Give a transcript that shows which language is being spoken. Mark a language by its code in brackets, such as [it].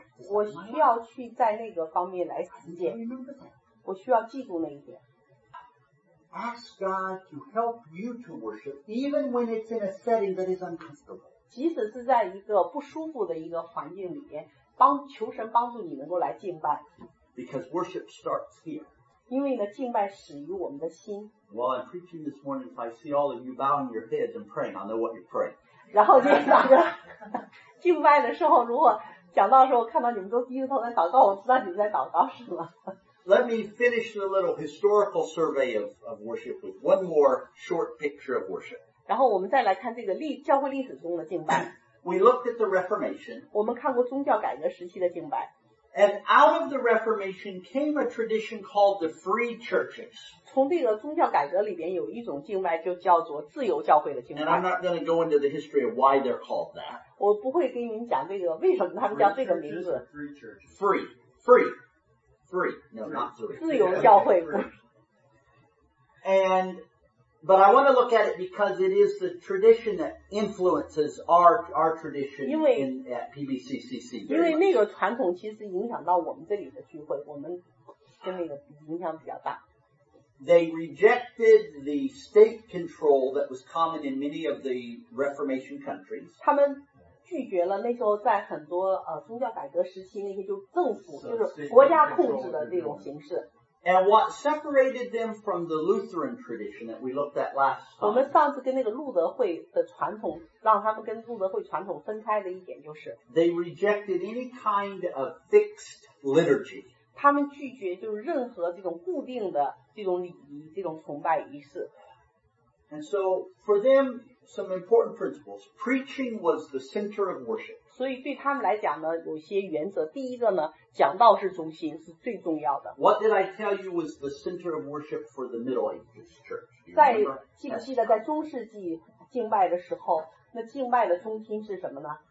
[zh] 我需要去在那个方面来实践，我需要记住那一点。 [en] Ask God to help you to worship, even when it's in a setting that is uncomfortable. [zh] 即使是在一个不舒服的一个环境里边，求神帮助你能够来敬拜。 [en] Because worship starts here. [zh] 因为呢，敬拜始于我们的心。 [en] While I'm preaching this morning, if I see all of you bowing your heads and praying, I'll know what you're praying. [zh] 然后今天早上敬拜的时候，如果讲到的时候看到你们都低着头在祷告，我知道你们在祷告是吗 [en] ？Let me finish the little historical survey of worship with one more short picture of worship. [zh] 然后我们再来看这个教会历史中的敬拜。 [en] We looked at the Reformation. [zh] 我们看过宗教改革时期的敬拜。 [en] And out of the Reformation came a tradition called the free churches. [zh] 从这个宗教改革里边有一种敬拜就叫做自由教会的敬拜。 [en] And I'm not going to go into the history of why they're called that. [zh] 我不会跟您讲这个为什么他们叫这个名字。 [en] Free churches. Free churches. Free. Free. Free. No, not free. [zh] 自由教会。 [en] And, but I want to look at it because it is the tradition that influences our tradition at PBCCC. [zh] 因为那个传统其实影响到我们这里的聚会，我们跟那个影响比较大。 [en] They rejected the state control that was common in many of the Reformation countries. [zh] 他们拒绝了那时候在很多宗教改革时期那些就政府就是国家控制的这种形式。 [en] And what separated them from the Lutheran tradition that we looked at last time? [zh] 我们上次跟那个路德会的传统，让他们跟路德会传统分开的一点就是 [en] ，They rejected any kind of fixed liturgy. [zh] 他们拒绝就是任何这种固定的这种礼仪、这种崇拜仪式。 [en] And so for them, some important principles: preaching was the center of worship. [zh] 所以对他们来讲呢，有些原则。第一个呢，讲道是中心，是最重要的。 [en] What did I tell you was the center of worship for the Middle Ages church? [zh] 在记不记得在中世纪敬拜的时候，那敬拜的中心是什么呢？